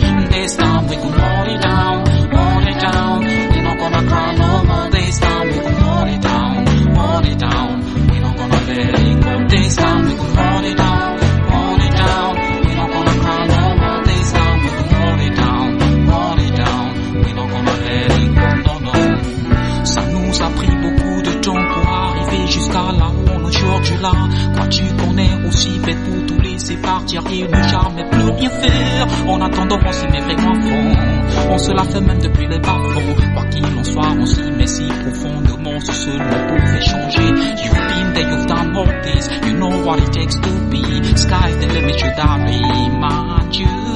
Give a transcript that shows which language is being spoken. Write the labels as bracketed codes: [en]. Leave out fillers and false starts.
[en] This time we gon' hold it down, hold it down. We not gonna cry no more. This time we gon' hold it down, hold it down. We not gonna let it go. This time we gon' hold it down, hold it down. We not gonna cry no more. This time we gon' hold it down, hold it down. We not gonna let it go. No, no. [fr] Ça nous a pris beaucoup de temps pour arriver jusqu'à là. Là, crois-tu qu'on est aussi bête pour tout laisser partir et ne jamais plus rien faire? En attendant, on s'y met vraiment fond. On se la fait même depuis les bas-fonds. Quoi qu'il en soit, on s'y met si profondément. Ce seul mot pouvait changer. [en] You've been there, you've done all this. You know what it takes to be. Sky's the limit, you gotta be mind you.